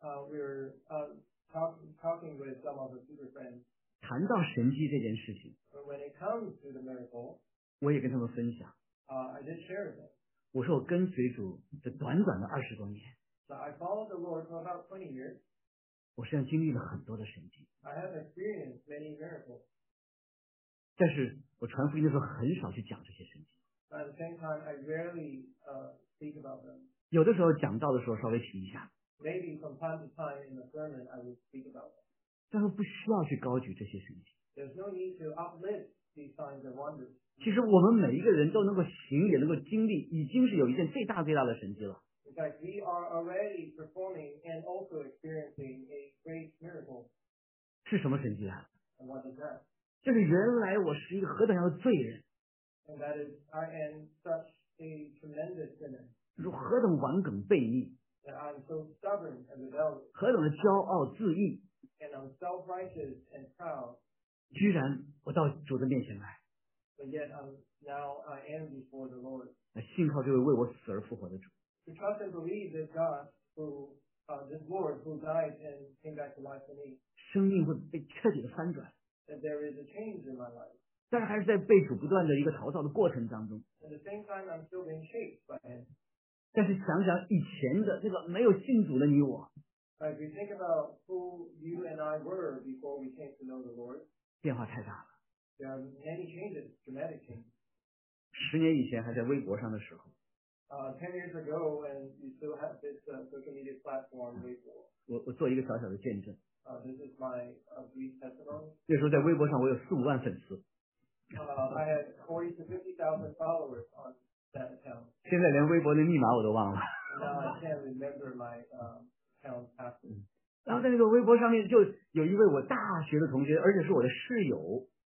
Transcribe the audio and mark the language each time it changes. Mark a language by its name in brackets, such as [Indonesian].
[English] We were talking with some of the super friends. [Chinese] 谈到神迹这件事情。 [English] But when it comes to the miracle. [Chinese] 我也跟他们分享。 [English] I did share with them. [Chinese] 我说我跟随主的短短的二十多年 [English] So I followed the Lord for about 20 years. [Chinese] 我实际上经历了很多的神迹 [English] I have experienced many miracles. [Chinese] 但是我传福音的时候很少去讲这些神迹 [English] But at the same time, I rarely speak about them. [Chinese] 有的时候讲到的时候稍微提一下 [English] Maybe from time to time in the sermon, I would speak about them. [Chinese] 但是不需要去高举这些神迹 [English] There's no need to uplift these signs and wonders. [Chinese] 其实我们每一个人都能够行也能够经历已经是有一件最大最大的神迹了 [English] In fact, we are already performing and also experiencing a great miracle. [Chinese] 是什么神迹啊 [English] And what is that? [Chinese] 就是原来我是一个何等样的罪人 [English] And that is, I am such a tremendous sinner. [Chinese] 如何等顽梗悖逆 [English] And I'm so stubborn and rebellious. [Chinese] 何等的骄傲自义 [English] And I'm self-righteous and proud. [Chinese] 居然我到主的面前来 [English] But yet, now I am before the Lord. [Chinese] 信靠这位为我死而复活的主。 [English] To trust and believe this God, who, this Lord, who died and came back to life for me. [Chinese] 生命会被彻底的翻转。 [English] That there is a change in my life. [Chinese] 但是还是在被主不断的一个陶造的过程当中。 [English] At the same time, I'm still being shaped by Him. [Chinese] 但是想想以前的这个没有信主的你我。 [English] If you think about who you and I were before we came to know the Lord. [Chinese] 变化太大了。 [English] There are many changes, dramatic changes. [Chinese] 10年以前还在微博上的时候。 [English] 10 years ago, when you still have this social media platform, Weibo. [Chinese] 我做一个小小的见证。 [English] This is my brief testimony. [Chinese] 那时候在微博上我有四五万粉丝。 [English] I had 40,000 to 50,000 followers on that account. [Chinese] 现在连微博的密码我都忘了。 [English] Now I can't remember my account password. [Chinese] 然后在那个微博上面就有一位我大学的同学，而且是我的室友。